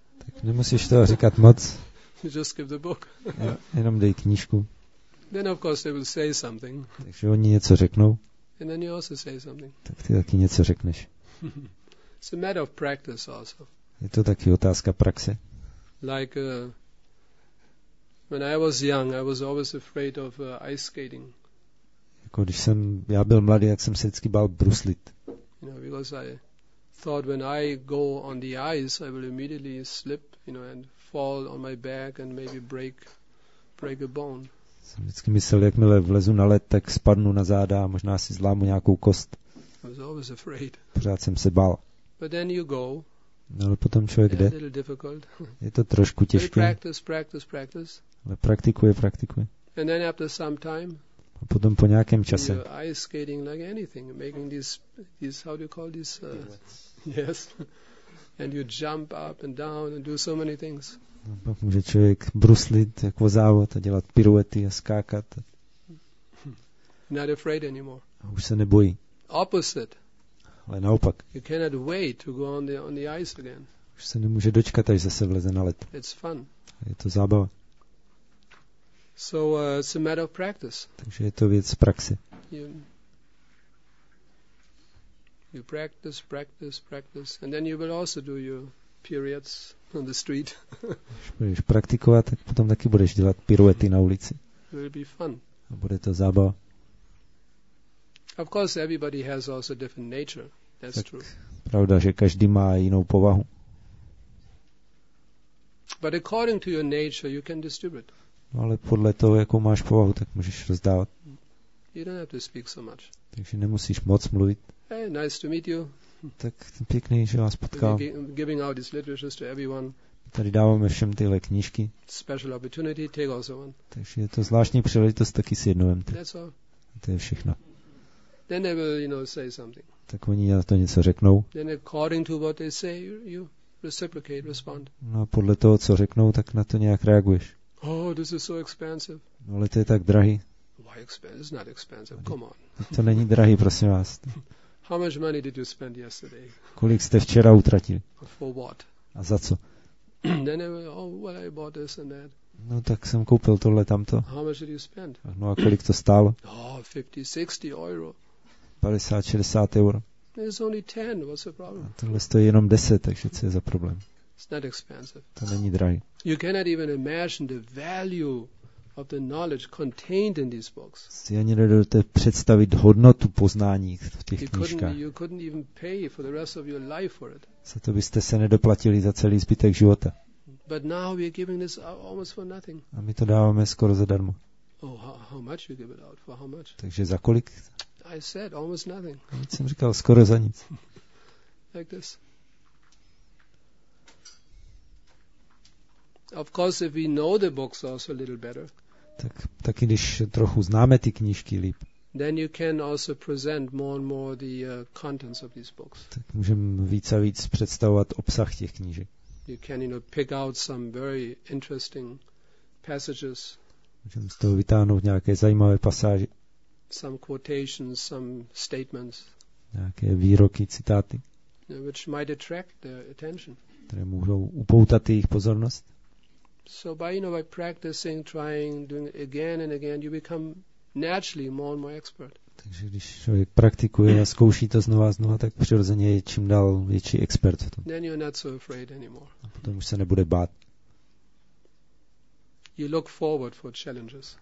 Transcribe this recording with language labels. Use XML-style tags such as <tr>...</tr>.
<cs>Tak nemusíš toho říkat moc.</cs> <en>You just give the book.</en> <cs>Jenom dej knížku.</cs> <en>Then of course they will say something.</en> <cs>Takže oni něco řeknou.</cs> <en>And then you also say something.</en> <cs>Tak ty taky něco řekneš.</cs> <en>It's a matter of practice also.</en> <cs>Je to taky otázka praxe.</cs> <en>Like when I was young, I was always afraid of ice skating.</en> <cs>Jako když jsem já byl mladý, tak jsem se vždycky bál bruslit.</cs> <en>You know, because I thought when I go on the ice, I will immediately slip, you know, and fall on my back and maybe break a bone.</en> <cs>Jsem vždycky myslel, jakmile vlezu na led, tak spadnu na záda a možná si zlámu nějakou kost.</cs> <en>I was always afraid.</en> <cs>Pořád jsem se bál.</cs> <en>But then you go.</en> <cs>No, ale potom člověk jde.</cs> <en>A little difficult.</en> <cs>Je to trošku těžké.</cs> <en>Practice.</en> <cs>Ale praktikuje.</cs> <en>And then after some time.</en> <cs>A potom po nějakém čase.</cs> <en>You're ice skating like anything, making these how do you call these? Yes. And you jump up and down and do so many things.</en> <cs>Může člověk bruslit jako závod a dělat piruety a skákat.</cs> <en>Not afraid anymore.</en> <cs>Už se nebojí.</cs> <en>Opposite.</en> <cs>Ale naopak.</cs> <en>You cannot wait to go on the ice again.</en> <cs>Už se nemůže dočkat, až zase vleze na led.</cs> <en>It's fun.</en> <cs>Je to zábava.</cs> <en>So it's a matter of practice.</en> <cs>Takže je to věc praxe.</cs> <en>You practice, and then you will also do your periods on the street.</en> <cs>Budeš praktikovat, tak potom taky budeš dělat piruety na ulici.</cs> <en>It will be fun.</en> <cs>A bude to zábava.</cs> <en>Of course, everybody has also different nature. That's</en> <cs>tak</cs> <en>true.</en> <cs>Pravda, že každý má jinou povahu.</cs> <en>But according to your nature, you can distribute.</en> <cs>No, ale podle toho, jakou máš povahu, tak můžeš rozdávat.</cs> <en>You don't have to speak so much.</en> <cs>Takže nemusíš moc mluvit.</cs> <en>Hey, nice to meet you.</en> <cs>Tak pěkný, že vás potkal.</cs> <en>Giving out these literatures to everyone.</en> <cs>Tady dáváme všem tyhle knížky.</cs> <en>Special opportunity, take also one.</en> <cs>Takže je to zvláštní příležitost, taky si jednu vemte.</cs> <en>That's all.</en> <cs>To je všechno.</cs> <en>Then they will, you know, say something.</en> <cs>Tak oni na to něco řeknou.</cs> <en>Then according to what they say, you reciprocate, respond.</en> <cs>No a podle toho, co řeknou, tak na to nějak reaguješ.</cs> <en>Oh, this is so expensive.</en> <cs>No, ale to je tak drahý.</cs> <en>Why expensive? It's not expensive. Come on.</en> <cs>To není drahý, prosím vás.</cs> <en>How much money did you spend yesterday?</en> <cs>Kolik jste včera utratili?</cs> <en>For what?</en> <cs>A za co?</cs> <en>Then I went, oh, well, I bought this and that.</en> <cs>No, tak jsem koupil tohle tamto.</cs> <en>How much did you spend?</en> <cs>No, a kolik to stálo?</cs> <en>Oh, 50-60 euro.</en> <cs>50-60 euro.</cs> <en>It's only 10, what's the problem?</en> <cs>A tohle stojí jenom 10, takže co je za problém?</cs> <en>It's not expensive.</en> <cs>To není drahý.</cs> <en>You cannot even imagine the value of the knowledge contained in these books.</en> <cs>Si ani nedovedete představit hodnotu poznání v těch knížkách.</cs> <en>You couldn't even pay for the rest of your life for it.</en> <cs>Za to byste se nedoplatili za celý zbytek života.</cs> <en>But now we're giving this almost for nothing.</en> <cs>A my to dáváme skoro zadarmo.</cs> <en>Oh, how much you give it out for how much?</en> <cs>Takže za kolik?</cs> <en>I said almost nothing.</en> <cs>A jsem říkal skoro za nic.</cs> <en>Like this. Of course, if we know the books also a little better.</en> <cs>Tak taky, když trochu známe ty knížky líp.</cs> <en>Then you can also present more and more the contents of these books.</en> <cs>Tak můžeme víc a víc představovat obsah těch knížek.</cs> <en>You can, you know, pick out some very interesting passages.</en> <cs>Můžeme z toho vytáhnout nějaké zajímavé pasáže.</cs> <en>Some quotations, some statements.</en> <cs>Nějaké výroky, citáty.</cs> <en>Which might attract their attention.</en> <cs>Které můžou upoutat jejich pozornost.</cs> <en>So by, you know, by practicing, trying, doing it again and again, you become naturally more and more expert.</en> <cs>Takže když člověk praktikuje a zkouší to znova a znova, tak přirozeně je čím dál větší expert v tom.</cs> <en>Then you're not so afraid anymore.</en> <cs>A potom už se nebude bát.</cs> <en>You look forward for challenges.</en>